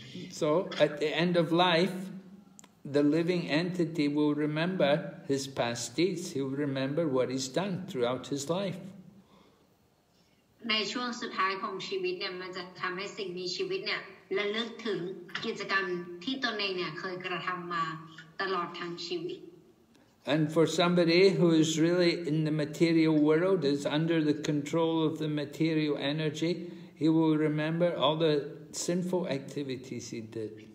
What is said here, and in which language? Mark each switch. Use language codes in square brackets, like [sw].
[en] So at the end of life, the living entity will remember his past deeds. He will remember what he's done throughout his life. [th] ในช่วงสุดท้ายของชีวิตเนี่ยมันจะทำให้สิ่งมีชีวิตเนี่ยระลึกถึงกิจกรรมที่ตนเองเนี่ยเคยกระทำมาตลอดทั้งชีวิต [en] And for somebody who is really in the material world, is under the control of the material energy, he will remember all the sinful activities he did.